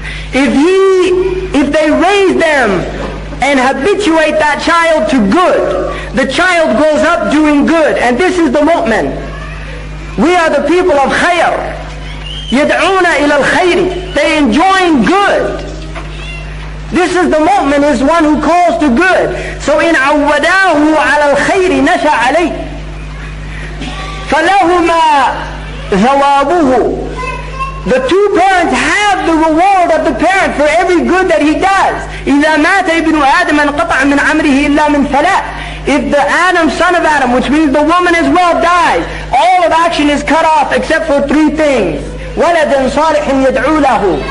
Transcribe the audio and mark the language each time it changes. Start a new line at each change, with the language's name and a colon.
English: If they raise them and habituate that child to good, the child grows up doing good. And this is the mu'min. We are the people of khayr.
Arabic: يَدْعُونَ إِلَى الْخَيْرِ.
English: They enjoin good. This is the mu'min, is one who calls to good. So in
Arabic: عَوَّدَاهُ عَلَى الْخَيْرِ نَشَى عَلَيْهِ فَلَهُمَا ثَوَابُهُ.
English: The two parents have the reward of the parent for every good that he does.
Arabic: إِذَا مَاتَ إِبْنُ آدَمَ انْقَطَعَ مِنْ عَمْرِهِ إِلَّا مِنْ ثَلَاثٍ.
English: If the Adam, son of Adam, which means the woman as well, dies, all of action is cut off except for three things.
Arabic: وَلَدٍ صَالِحٍ يَدْعُو لَهُ.